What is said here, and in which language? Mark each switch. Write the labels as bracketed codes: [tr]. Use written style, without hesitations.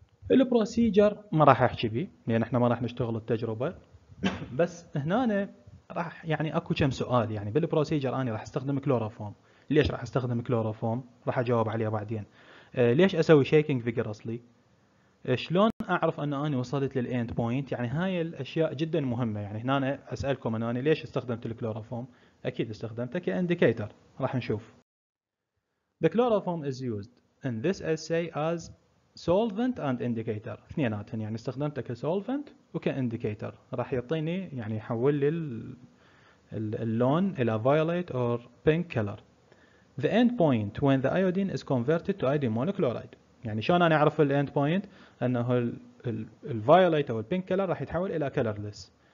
[ar] البروسيجر ما راح احكي بيه لان احنا ما راح نشتغل التجربة، بس هنا راح يعني اكو كم سؤال، يعني بالبروسيجر اني راح استخدم كلوروفورم، ليش راح استخدم كلوروفورم؟ راح اجاوب عليها بعدين. ليش اسوي شيكينج فيجرسلي؟ شلون اعرف ان انا وصلت للاند بوينت؟ يعني هاي الاشياء جدا مهمه، يعني هنا اسالكم ان انا ليش استخدمت الكلوروفورم؟ اكيد استخدمته كانديكيتر، راح نشوف. [en] The chloroform is used in this essay as solvent and indicator. [ar] اثنيناتهم يعني استخدمته كسولفنت وكإنديكيتر راح يعطيني يعني يحول لي اللون إلى [en] violet or pink color. The end point when the iodine is converted to iodine monochloride. [ar] يعني شلون أنا أعرف الـ end point؟ أنه الـ violet أو الـ pink color راح يتحول إلى colorless.